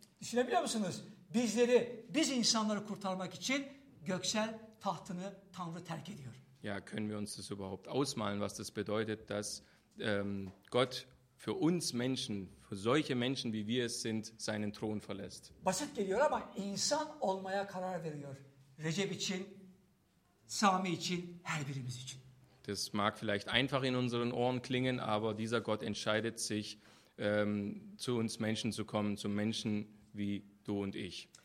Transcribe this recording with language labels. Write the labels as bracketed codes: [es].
[tr] Düşünebiliyor musunuz? Biz insanları kurtarmak için göksel tahtını Tanrı terk ediyor. [de] Ja, können wir uns das überhaupt ausmalen, was das bedeutet, dass Gott für uns Menschen, für solche Menschen wie wir es sind, seinen Thron verlässt. [tr] Basit geliyor ama insan olmaya karar veriyor. Recep için, Sami için, her birimiz için. [de] Das mag vielleicht einfach in unseren Ohren klingen, aber dieser Gott entscheidet sich, zu uns Menschen zu kommen, zu Menschen wie du und ich.